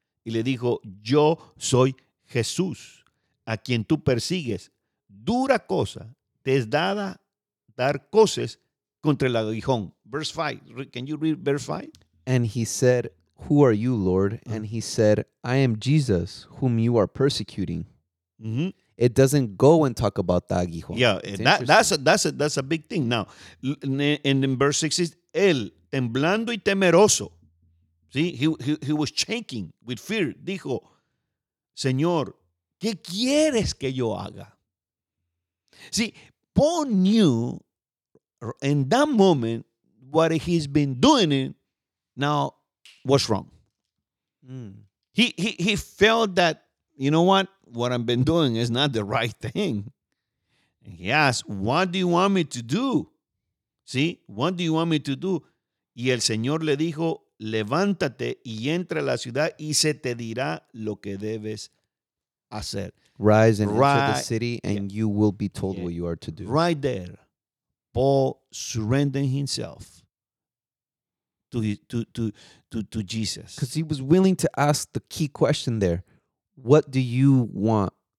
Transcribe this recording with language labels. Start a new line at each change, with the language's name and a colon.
Spanish: Y le dijo, yo soy Jesús, a quien tú persigues. Dura cosa, te es dada dar cosas contra el aguijón.
English: Verse 5. Can you read verse 5? And he said, who are you, Lord? Uh-huh. And he said, I am Jesus, whom you are persecuting. Mm-hmm. It doesn't go and talk about the aguijón. Yeah, that's a big thing. Now, in verse 6 is,
Spanish: él, temblando y temeroso.
English: See, he was shaking with fear.
Spanish: Dijo, Señor, ¿qué quieres que yo haga?
English: See, Paul knew in that moment what he's been doing it now was wrong. Mm. He felt that, you know what? What I've been doing is not the right thing. He asked, what do you want me to do? See, what do you want me to do?
Spanish: Y el Señor le dijo, levántate y entra a la ciudad y se te dirá lo que debes hacer.
English: Rise and enter the city and you will be told what you are to do. Right there, Paul surrendered himself to Jesus. Because he was willing to ask the key question there. What do you want?